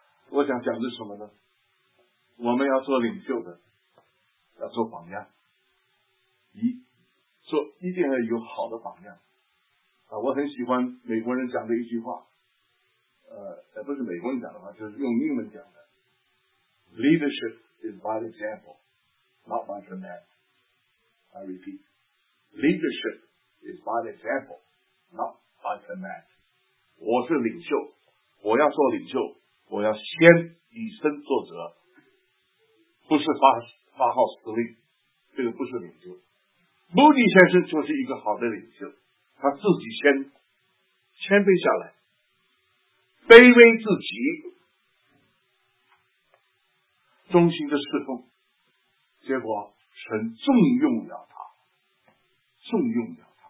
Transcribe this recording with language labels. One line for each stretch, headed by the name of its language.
Chinese: 我想讲的是什么呢？我们要做领袖的，要做榜样，一定要有好的榜样啊！我很喜欢美国人讲的一句话，不是美国人讲的话，就是用英文讲的 ：
English: “Leadership is by example, not by command.” I repeat, leadership. Is by example, not by command.
Chinese: 我是领袖，我要做领袖，我要先以身作则，不是发号施令，这个不是领袖。穆迪先生就是一个好的领袖，他自己先谦卑下来，卑微自己，忠心的侍奉，结果神重用了他，重用了。